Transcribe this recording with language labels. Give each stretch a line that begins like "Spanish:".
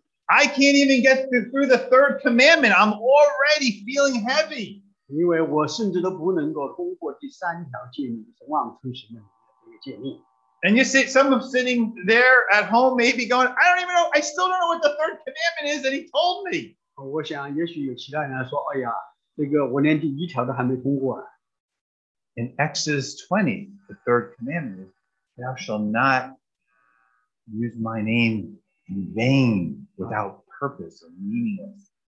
English: I can't even get through the third commandment. I'm already feeling heavy. And you see, some of sitting there at home may be going, I don't even know, I still don't know what the third commandment is that he told me.
Chinese: 我想也许有其他人来说，哎呀。这个我连第一条都还没通过啊。
English: In Exodus 20, the third commandment is, Thou shalt not use my name in vain without purpose or meaningless.